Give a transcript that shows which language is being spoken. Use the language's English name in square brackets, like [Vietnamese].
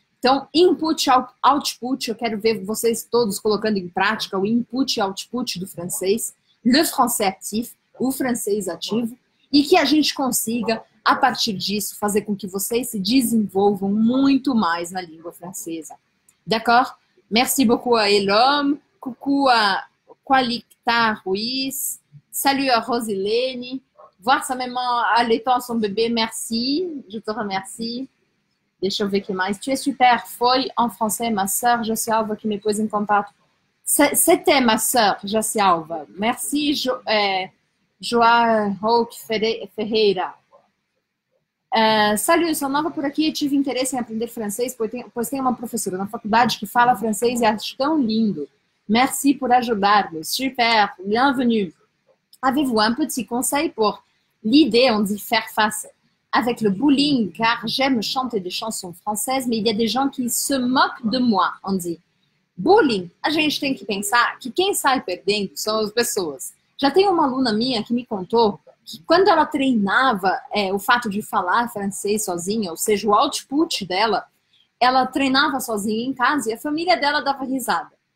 [Portuguese] Então, input, output, eu quero ver vocês todos colocando em prática o input e output do francês. [French] Le français actif, [Portuguese] o francês ativo, e que a gente consiga, a partir disso, fazer com que vocês se desenvolvam muito mais na língua francesa. [French] D'accord? Merci beaucoup à Elome, coucou à Qualicta Ruiz, salut à Rosilene, voir sa maman allaitant son bébé, merci, je te remercie. [Portuguese] Deixa eu ver que mais. [French] Tu es super, [Portuguese] foi [French] en français, ma soeur, [Portuguese] José Alva, que me pôs em contato. [French] C'était ma soeur, José Alva. Merci, João Ferreira. [Portuguese] Salut, sou nova por aqui e tive interesse em aprender francês, pois tem uma professora na faculdade que fala francês e acho tão lindo. [French] Merci [Portuguese] por ajudar-nos. [French] Super, bienvenue. Avez-vous un petit conseil pour l'idée, on dit faire face avec le bullying, car j'aime chanter des chansons françaises, mais il y a des gens qui se moquent de moi, on dit. [Portuguese] Bullying, a gente tem que pensar que quem sai perdendo são as pessoas. Já tem uma aluna minha que me contou que quando ela treinava o fato de falar francês sozinha, ou seja, o output dela, ela treinava sozinha em casa e a família dela dava risada.